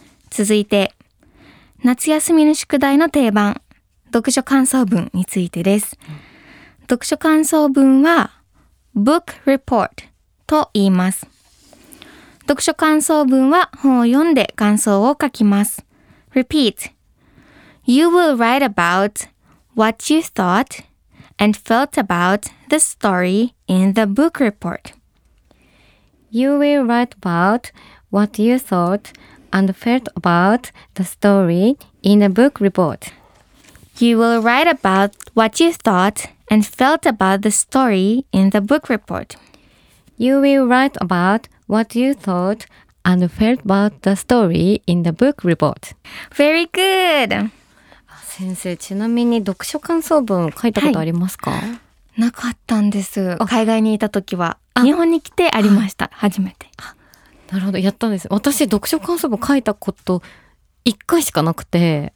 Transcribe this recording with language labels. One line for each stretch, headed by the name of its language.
Japanese: 続いて、夏休みの宿題の定番、読書感想文についてです。読書感想文は、Book Report と言います。読書感想文は本を読んで感想を書きます。
English: Repeat. You will write about what you thought and felt about the story in the book report. You will write about what you thought and felt about the story in the book report. You will write about what you thoughtAnd felt about the story in the book report. You will write about what you thought and felt about the story in the book report. Very good!
Japanese: 先生、ちなみに読書感想文書いたことありますか？はい、なかったんです。海外にいた時は。日本に来てありました。初めて。なるほど、やったんです。私、読書感想文書いたこと1回しかなくて。